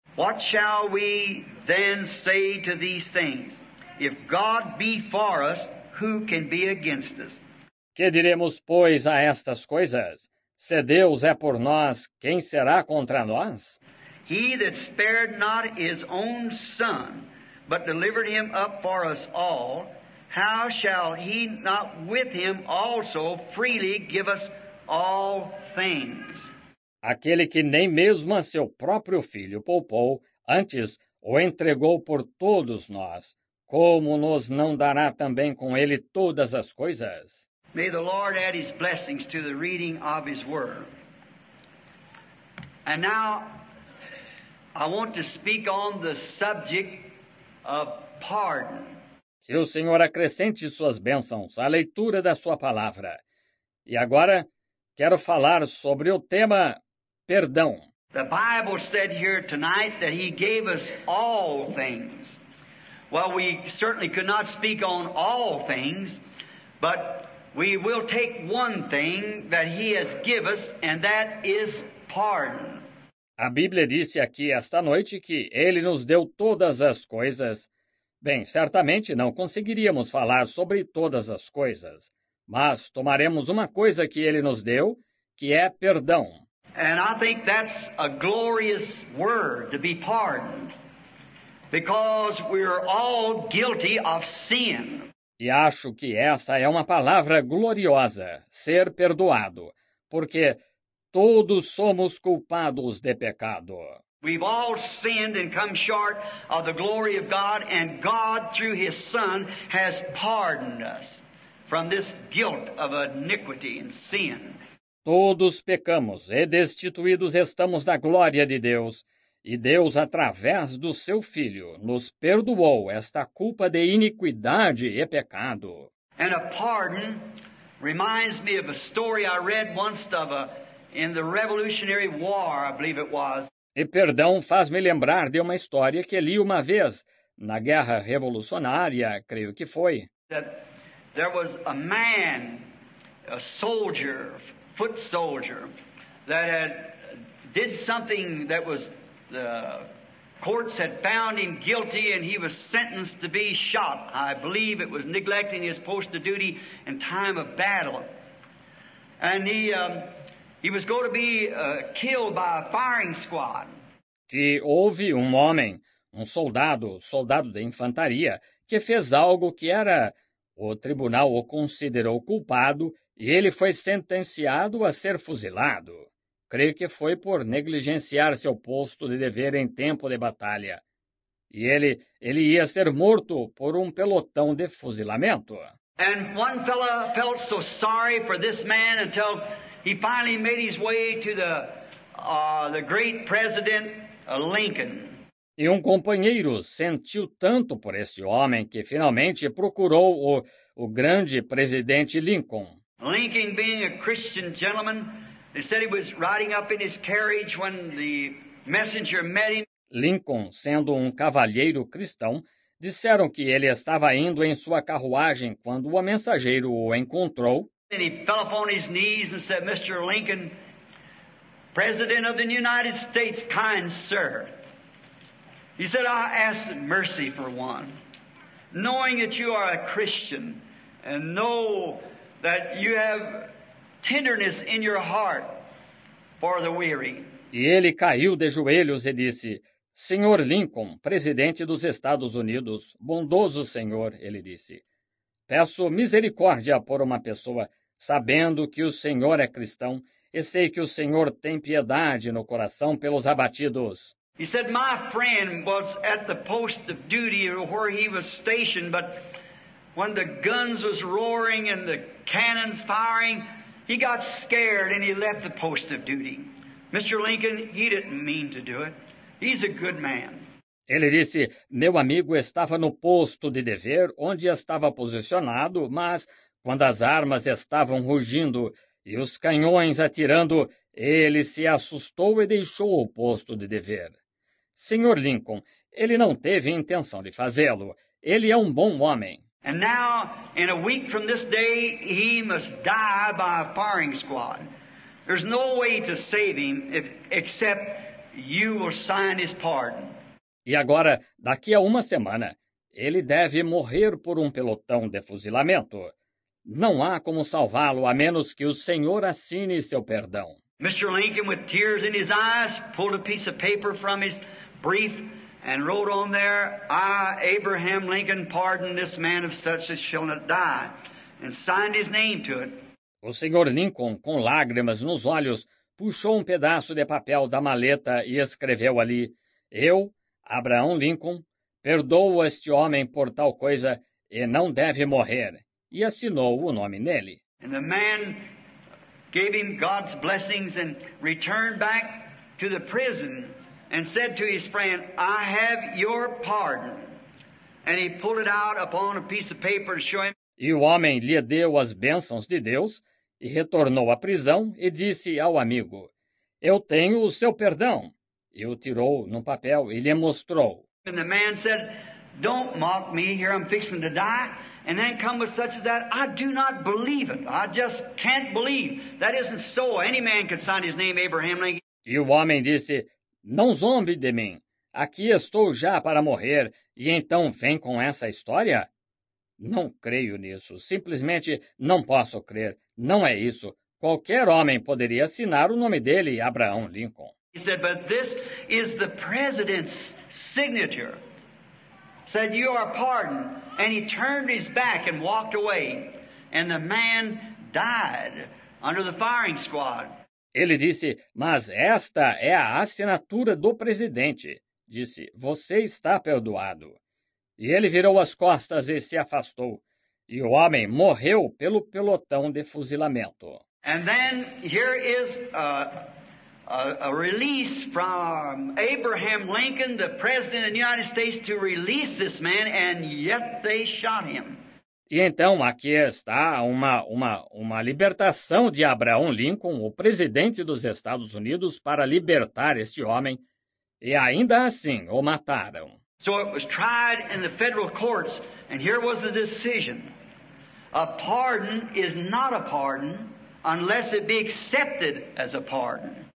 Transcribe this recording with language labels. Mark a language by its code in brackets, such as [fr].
[en] What shall we then say to these things? If God be for us, who can be against us? [pt] Que diremos, pois, a estas coisas? Se Deus é por nós, quem será contra nós? [en] He that spared not his own Son, but delivered him up for us all, how shall he not with him also freely give us all things? [pt] Aquele que nem mesmo a seu próprio filho poupou, antes o entregou por todos nós, como nos não dará também com ele todas as coisas? [en] May the Lord add his blessings to the reading of his word. And now, I want to speak on the subject of pardon. [pt] Que o Senhor acrescente suas bênçãos à leitura da sua palavra. E agora, quero falar sobre o tema perdão. [en] The Bible said here tonight that he gave us all things. Well, we certainly could not speak on all things, but we will take one thing that he has given us, and that is pardon. [pt] A Bíblia disse aqui esta noite que ele nos deu todas as coisas, Bem, certamente não conseguiríamos falar sobre todas as coisas, mas tomaremos uma coisa que ele nos deu, que é perdão. [en] And I think that's a glorious word to be pardoned, because we're all guilty of sin. [pt] E acho que essa é uma palavra gloriosa, ser perdoado, porque todos somos culpados de pecado. [en] We've all sinned and come short of the glory of God, and God, through His Son, has pardoned us from this guilt of iniquity and sin. [pt] Todos pecamos e destituídos estamos da glória de Deus, e Deus, através do Seu Filho, nos perdoou esta culpa de iniquidade e pecado. [en] And a pardon reminds me of a story I read once of in the Revolutionary War, I believe it was. [pt] E perdão faz-me lembrar de uma história que li uma vez, na Guerra Revolucionária, creio que foi. [en] There was a man, a soldier, foot soldier, that had did something that was, the courts had found him guilty, and he was sentenced to be shot. I believe it was neglecting his post of duty in time of battle. And he was going to be killed by a firing squad. [pt] Que houve um homem, um soldado, soldado de infantaria, que fez algo que era, o tribunal o considerou culpado, e ele foi sentenciado a ser fuzilado. Creio que foi por negligenciar seu posto de dever em tempo de batalha. E ele ia ser morto por um pelotão de fuzilamento. [en] And one fella felt so sorry for this man until he finally made his way to the great president Lincoln. [pt] E um companheiro sentiu tanto por esse homem que finalmente procurou o grande presidente Lincoln. [en] Lincoln, being a Christian gentleman, they said he was riding up in his carriage when the messenger met him. [pt] Lincoln, sendo um cavalheiro cristão, disseram que ele estava indo em sua carruagem quando o mensageiro o encontrou. [en] And he fell upon his knees and said, "Mr. Lincoln, President of the United States, kind sir." He said, "I ask mercy for one, knowing that you are a Christian and know that you have tenderness in your heart for the weary." [pt] E ele caiu de joelhos e disse, "Senhor Lincoln, presidente dos Estados Unidos, bondoso senhor," ele disse, "peço misericórdia por uma pessoa, sabendo que o senhor é cristão, e sei que o senhor tem piedade no coração pelos abatidos." [en] He said, "My friend was at the post of duty where he was stationed, but when the guns was roaring and the cannons firing, he got scared and he left the post of duty. Mr. Lincoln, he didn't mean to do it. He's a good man." [pt] Ele disse, "Meu amigo estava no posto de dever onde estava posicionado, mas quando as armas estavam rugindo e os canhões atirando, ele se assustou e deixou o posto de dever. Senhor Lincoln, ele não teve intenção de fazê-lo. Ele é um bom homem." [en] And now, in a week from this day, he must die by a firing squad. There's no way to save him except you will sign his pardon. [pt] E agora, daqui a uma semana, ele deve morrer por um pelotão de fuzilamento. Não há como salvá-lo a menos que o senhor assine seu perdão. [en] Mr. Lincoln, with tears in his eyes, pulled a piece of paper from his brief and wrote on there, "I, Abraham Lincoln, pardon this man of such as shall not die," and signed his name to it. [pt] O senhor Lincoln, com lágrimas nos olhos, puxou um pedaço de papel da maleta e escreveu ali, "Eu, Abraão Lincoln, perdoo este homem por tal coisa e não deve morrer." E assinou o nome nele. [en] And the man gave him God's blessings and returned back to the prison and said to his friend, "I have your pardon." And he pulled it out upon a piece of paper to show him. [pt] E o homem lhe deu as bênçãos de Deus e retornou à prisão e disse ao amigo, "Eu tenho o seu perdão." E o tirou no papel e lhe mostrou. [en] And the man said, "Don't mock me, here I'm fixing to die. And then come with such as that, I do not believe it. I just can't believe. That isn't so. Any man could sign his name Abraham Lincoln." [pt] E o homem disse, "Não zombe de mim. aqui estou já para morrer, e então vem com essa história? Não creio nisso. Simplesmente não posso crer. Não é isso. Qualquer homem poderia assinar o nome dele, Abraham Lincoln. [en] He said, but this is the president's signature. Said, you are pardoned. And he turned his back and walked away. And the man died under the firing squad. [pt] Ele disse, mas esta é a assinatura do presidente. Disse, você está perdoado. E ele virou as costas e se afastou. E o homem morreu pelo pelotão de fuzilamento. [en] And then here is a release from Abraham Lincoln, the president of the United States, to release this man, and yet they shot him. [pt] E então aqui está uma libertação de Abraham Lincoln, o presidente dos Estados Unidos, para libertar este homem, e ainda assim o mataram. [en] So it was tried in the federal courts, and here was the decision. A pardon is not a pardon unless it be accepted as a pardon.